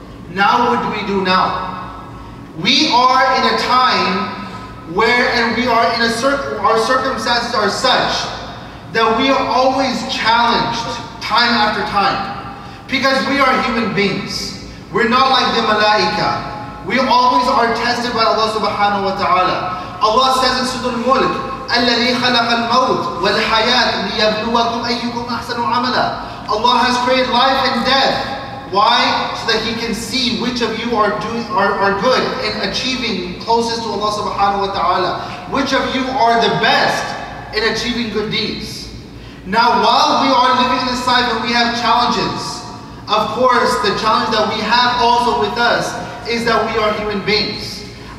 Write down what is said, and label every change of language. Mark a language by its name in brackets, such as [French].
[English] Now what do we do now? We are in a time where, and we are in a our circumstances are such that we are always challenged time after time. Because we are human beings. We're not like the malaika. We always are tested by Allah subhanahu wa ta'ala. Allah says in Surah Al-Mulk, [Arabic] الَّذِي خَلَقَ الْمَوْتِ وَالْحَيَاةِ لِيَبْلُوَكُمْ أَيُّكُمْ أَحْسَنُ عَمَلًا. [English] Allah has created life and death. Why? So that He can see which of you are doing are good in achieving closest to Allah subhanahu wa ta'ala. Which of you are the best in achieving good deeds. Now while we are living in this life and we have challenges, of course the challenge that we have also with us is that we are human beings.